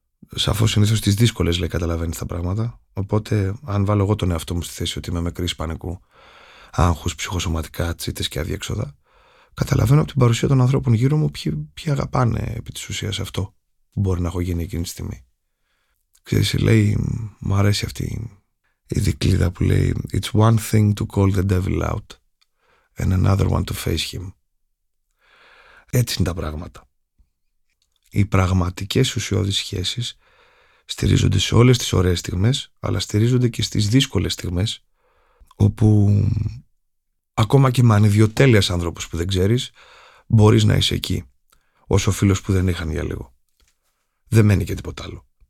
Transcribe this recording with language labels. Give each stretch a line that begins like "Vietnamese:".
Greek: Σαφώς συνήθως τις δύσκολες λέει καταλαβαίνεις τα πράγματα. Οπότε αν βάλω εγώ τον εαυτό μου στη θέση ότι είμαι με κρίση πανικού, άγχους, ψυχοσωματικά, τσίτες και αδιέξοδα, καταλαβαίνω από την παρουσία των ανθρώπων γύρω μου ποιοι αγαπάνε επί της ουσίας αυτό που μπορεί να έχω γίνει εκείνη τη στιγμή. Ξέρεις, λέει, μου αρέσει αυτή η δικλίδα που λέει
English: «It's one thing to call the devil out and another one to face him».
Greek: Έτσι είναι τα πράγματα. Οι πραγματικές ουσιώδεις σχέσεις στηρίζονται σε όλες τις ωραίες στιγμές, αλλά στηρίζονται και στις δύσκολες στιγμές, όπου ακόμα και με ανιδιοτέλειας άνθρωπος που δεν ξέρεις, μπορείς να είσαι εκεί, ως ο φίλος που δεν είχαν για λίγο. Δεν μένει και τίποτα άλλο.